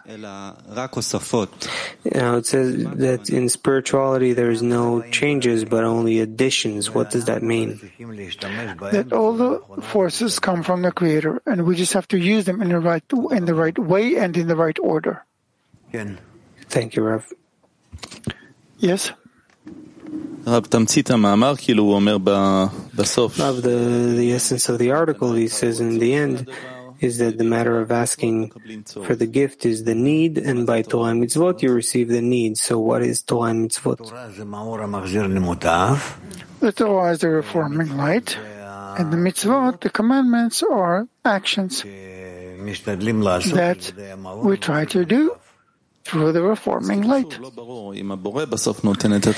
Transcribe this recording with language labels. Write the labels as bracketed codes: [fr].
[en] Now it says that in spirituality there is no changes but only additions. What does that mean? That all the forces come from the Creator and we just have to use them in the right way and in the right order. Thank you, Rav. Yes? [he] רב, תמצית המאמר, כאילו הוא אומר בסוף. [en] Rav, the essence of the article, he says in the end, is that the matter of asking for the gift is the need, and by Torah and Mitzvot you receive the need. So what is Torah and Mitzvot? The Torah is the reforming light, and the Mitzvot, the commandments, are actions that we try to do through the reforming light.